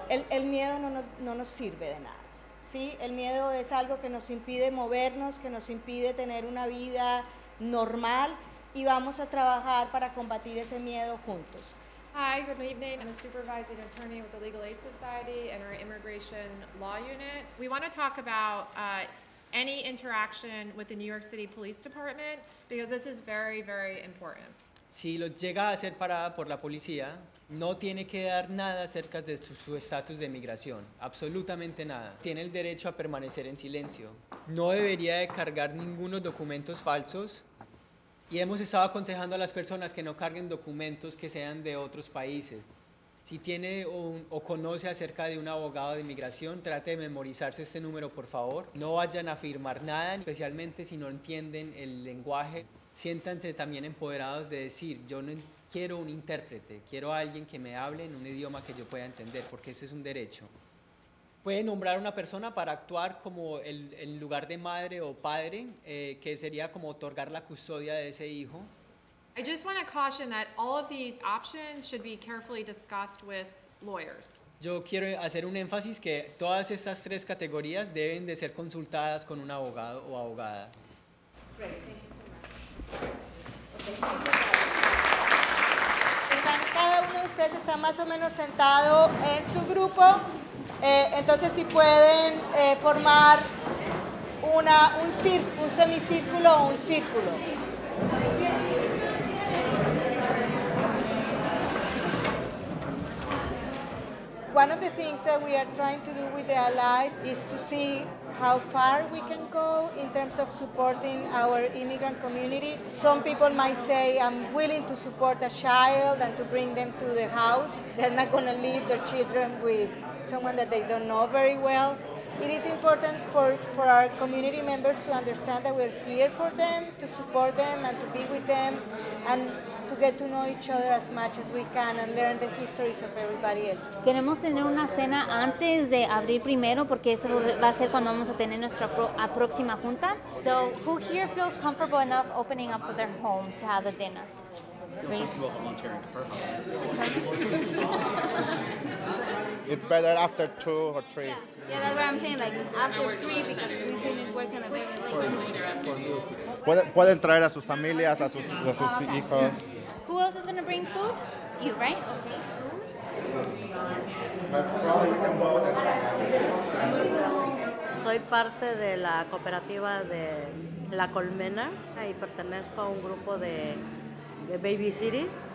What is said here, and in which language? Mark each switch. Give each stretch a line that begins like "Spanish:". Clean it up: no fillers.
Spanish: El miedo no nos sirve de nada, ¿sí? El miedo es algo que nos impide movernos, que nos impide tener una vida normal, y vamos a trabajar para combatir ese miedo juntos.
English: Hi, good evening. I'm a supervising attorney with the Legal Aid Society and our Immigration Law Unit. We want to talk about any interaction with the New York City Police Department because this is very, very important.
Spanish: Si lo llega a ser parada por la policía, no tiene que dar nada acerca de su estatus de migración, absolutamente nada. Tiene el derecho a permanecer en silencio. No debería de cargar ningunos documentos falsos. Y hemos estado aconsejando a las personas que no carguen documentos que sean de otros países. Si tiene o conoce acerca de un abogado de migración, trate de memorizarse este número, por favor. No vayan a firmar nada, especialmente si no entienden el lenguaje. Siéntanse también empoderados de decir, yo no quiero un intérprete, quiero a alguien que me hable en un idioma que yo pueda entender, porque ese es un derecho. Puede nombrar una persona para actuar como el lugar de madre o padre, que sería como otorgar la custodia de ese hijo.
English: I just want to caution that all of these options should be carefully discussed with lawyers.
Spanish: Yo quiero hacer un énfasis que todas estas tres categorías deben de ser consultadas con un abogado o abogada. Están, cada uno de ustedes está más o menos sentado en su grupo, entonces si pueden formar un semicírculo o un círculo.
English: One of the things that we are trying to do with the allies is to see how far we can go in terms of supporting our immigrant community. Some people might say, I'm willing to support a child and to bring them to the house. They're not going to leave their children with someone that they don't know very well. It is important for our community members to understand that we're here for them, to support them and to be with them, and to get to know each other as much as we can and learn the histories of everybody else.
Spanish: Queremos tener una cena antes de abrir primero porque eso va a ser cuando vamos a tener nuestra próxima junta.
English: So, who here feels comfortable enough opening up their home to have a dinner? It's better after two or three. Yeah, that's what I'm saying, like after three because we finish working a bit late.
Spanish: Pueden traer a sus familias, a sus okay. Hijos.
English: Who else is going to bring food? You, right? Okay, food.
Spanish: Soy parte de la cooperativa de La Colmena y pertenezco a un grupo de Baby City.